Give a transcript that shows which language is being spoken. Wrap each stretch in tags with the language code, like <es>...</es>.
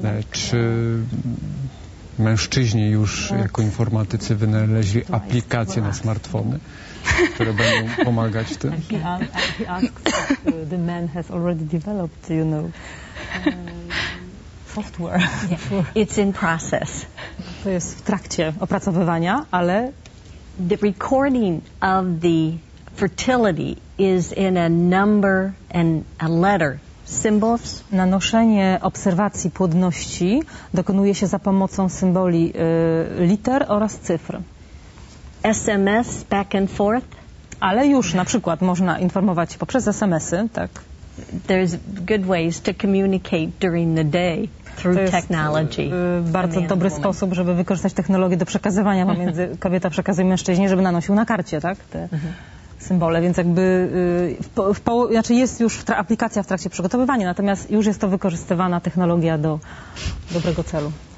<pl>Czy mężczyźni już jako informatycy wynaleźli aplikacje na smartfony, które będą pomagać w tym?</pl> <en>The man has already developed, you know, software. It's in process.</en> <pl>To jest w trakcie opracowywania, ale</pl> <en>the recording of the fertility is in a number and a letter. Symbols.</en> <pl>Nanoszenie obserwacji płodności dokonuje się za pomocą symboli liter oraz cyfr.</pl> <en>SMS back and forth.</en> <pl>Ale już na przykład można informować poprzez SMS-y, tak.</pl> <en>There's good ways to communicate during the day through technology.</en> <pl>To jest bardzo dobry sposób, żeby wykorzystać technologię do przekazywania pomiędzy kobieta przekazuje mężczyźnie, żeby nanosił na karcie, tak? Symbole, więc jakby jest już aplikacja w trakcie przygotowywania, natomiast już jest to wykorzystywana technologia do dobrego celu.</pl>